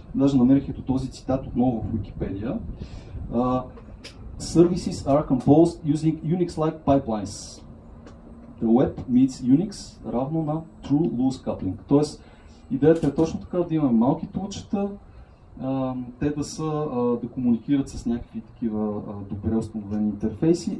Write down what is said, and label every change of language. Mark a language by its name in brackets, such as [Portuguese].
[Bulgarian] Даже намерих ето този цитат отново в Wikipedia. [English] Services are composed using Unix-like pipelines. The web meets Unix [Bulgarian] равно на [English] true loose coupling. [Bulgarian] Тоест, идеята е точно така, да имаме малки тулчета, те да са, да комуникират с някакви такива добре установени интерфейси.